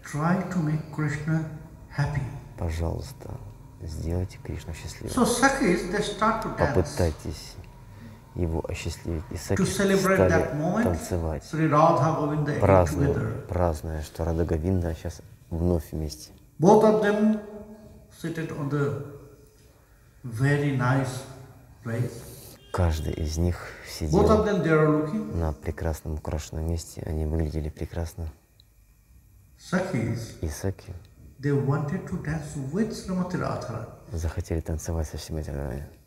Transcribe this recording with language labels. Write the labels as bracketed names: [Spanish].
[English] Try to make Krishna happy. [Russian] Пожалуйста, сделайте Кришну счастливым. [English] So Sakis, they start to dance. [Russian] Попытайтесь его осчастливить, и Сакхи стали танцевать, празднуя, что Радха Говинда сейчас вновь вместе. [English] Both of them seated on the very nice place. [Russian] Каждый из них сидел [English] Both of them there are looking. [Russian] На прекрасном украшенном месте, они выглядели прекрасно. [English] Sakis, [Russian] и Сакхи [English] they wanted to dance with Srimati Radharani. [Russian] Захотели танцевать со Шримати Радхарани.